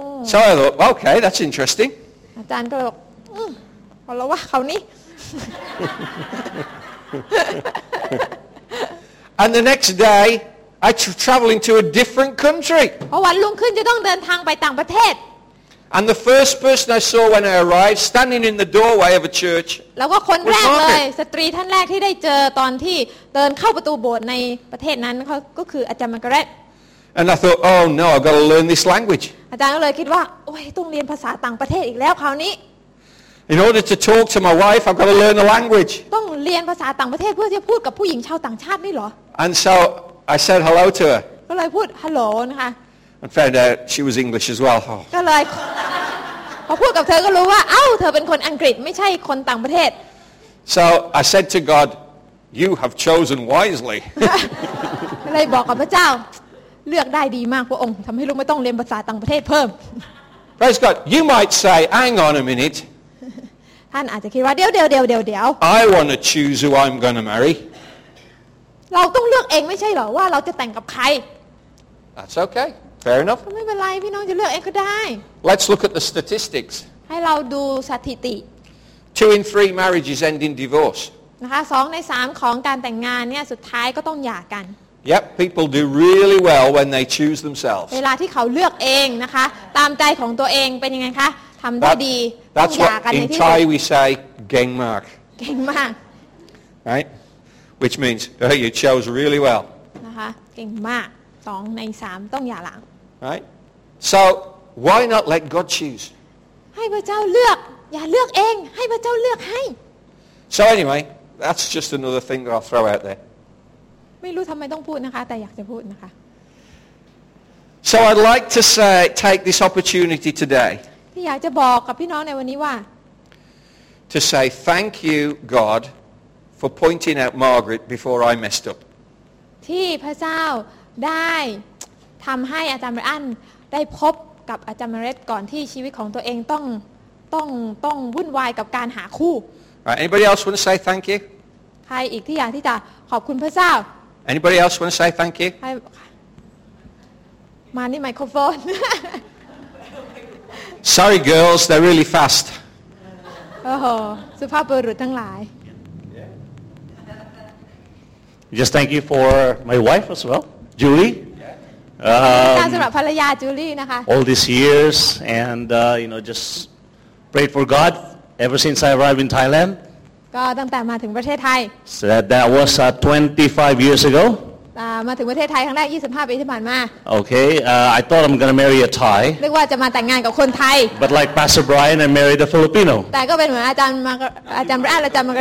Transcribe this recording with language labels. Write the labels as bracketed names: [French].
[English] So I thought okay that's interesting [Thai] อาจารย์ก็บอกเราว่าเขานี่ [English] And the next day, I traveling to a different country. [Thai] วันรุ่งขึ้นจะต้องเดินทางไปต่างประเทศ [English] And the first person I saw when I arrived, standing in the doorway of a church. [Thai] แล้วก็คนแรกเลยสตรีท่านแรกที่ได้เจอตอนที่เดินเข้าประตูโบสถ์ในประเทศนั้นก็คืออาจารย์มาการ์เร็ต [English] And I thought, oh no, I've got to learn this language. [Thai] อาจารย์ก็เลยคิดว่าโอ้ยต้องเรียนภาษาต่างประเทศอีกแล้วคราวนี้ [English] In order to talk to my wife, I've got to learn the language. [Thai] ต้องเรียนภาษาต่างประเทศเพื่อจะพูดกับผู้หญิงชาวต่างชาตินี่เหรอ [English] And so I said hello to her. [Thai] ก็เลยพูดฮัลโหลนะคะ [English] And found out she was English as well. [Thai] ก็เลยพอพูดกับเธอก็รู้ว่าเอ้าเธอเป็นคนอังกฤษไม่ใช่คนต่างประเทศ [English] So I said to God, "You have chosen wisely." [Thai] ก็เลยบอกกับพระเจ้าเลือกได้ดีมากพระองค์ทำให้ลูกไม่ต้องเรียนภาษาต่างประเทศเพิ่ม [English] Praise God. You might say, "Hang on a minute." [Thai] ท่านอาจจะคิดว่าเดี๋ยว [English] I want to choose who I'm going to marry [Thai] เราต้องเลือกเองไม่ใช่หรอว่าเราจะแต่งกับใคร [English] That's okay fair enough [Thai] ไม่เป็นไรพี่น้องจะเลือกเองก็ได้ [English] Let's look at the statistics [Thai] ให้เราดูสถิติ [English] 2 in 3 marriages end in divorce [Thai] นะคะ2ใน3ของการแต่งงานเนี่ยสุดท้ายก็ต้องหย่ากัน [English] Yep people do really well when they choose themselves [Thai] เวลาที่เขาเลือกเองนะคะตามใจของตัวเองเป็นยังไงคะทำได้ดี [English] That's what in Thai we say, [Thai] "geng mak." Geng mak, [English] right? Which means you chose really well. [Thai] Geng mak, [English] 2 in 3, [Thai] ต้องหย่าหลัง [English] Right? So why not let God choose? [Thai] ให้พระเจ้าเลือกอย่าเลือกเองให้พระเจ้าเลือกให้ [English] So anyway, that's just another thing that I'll throw out there. [Thai] ไม่รู้ทำไมต้องพูดนะคะแต่อยากจะพูดนะคะ [English] So I'd like to say, take this opportunity today. [Thai] อยากจะบอกกับพี่น้องในวันนี้ว่า [English] to say thank you God for pointing out Margaret before I messed up [Thai] ที่พระเจ้าได้ทำให้อาจารย์มาร์อันได้พบกับอาจารย์มาร์เรตก่อนที่ชีวิตของตัวเองต้องวุ่นวายกับการหาคู่ [English] Right, anybody else want to say thank you [Thai] ใครอีกที่อยากที่จะขอบคุณพระเจ้า [English] anybody else want to say thank you [Thai] ใครมานี่ไมโครโฟน [English] Sorry, girls. They're really fast. [Thai] Oh, สุภาพบุรุษทั้งหลาย [English] Just thank you for my wife as well, Julie. [Thai] สำหรับภรรยาจูลี่นะคะ [English] All these years, and you know, just prayed for God ever since I arrived in Thailand. [Thai] ก็ตั้งแต่มาถึงประเทศไทย [English] So that was 25 years ago. [Thai] มาถึงประเทศไทยครั้งแรก25ปีที่ผ่านมา [English] Okay I thought I'm going to marry a Thai [Thai] เรียกว่าจะมาแต่งงานกับคนไทย [English] But like Pastor Brian I married a Filipino [Thai] แต่ก็เป็นเหมือนอาจารย์บรานอาจารย์มาร์เก